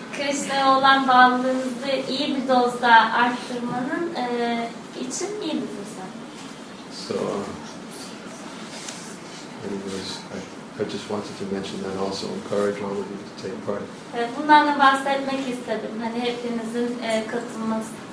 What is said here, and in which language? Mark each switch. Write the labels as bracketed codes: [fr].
[tr] Krishna'ya olan bağlılığınızı iyi bir dozda arttırmanın için iyi bir fırsat. [en] So, anyways, I just wanted to mention that also encourage all of you to take part. [tr] Bundan da bahsetmek istedim. Hani hepinizin katılması.